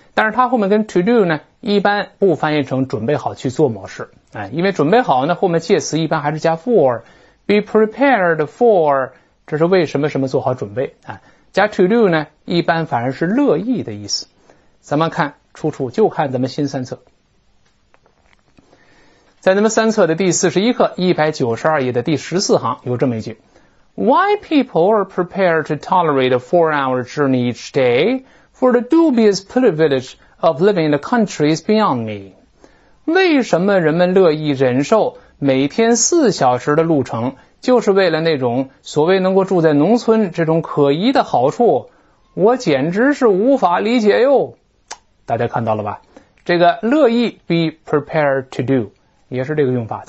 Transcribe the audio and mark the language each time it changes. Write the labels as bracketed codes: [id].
[zh] 但是它后面跟 to do 呢一般不翻译成准备好去做某事，因为准备好呢后面介词一般还是加 for， be prepared for 这是为什么什么做好准备，加 to do 呢一般反而是乐意的意思。咱们看出处，就看咱们新三册，在咱们三册的第41课192页的第14行有这么一句， [en] Why people are prepared to tolerate a four-hour journey each day for the dubious privilege of living in the countries beyond me? [zh] 为什么人们乐意忍受每天四小时的路程，就是为了那种所谓能够住在农村这种可疑的好处？我简直是无法理解哟。大家看到了吧，这个乐意 be prepared to do 也是这个用法。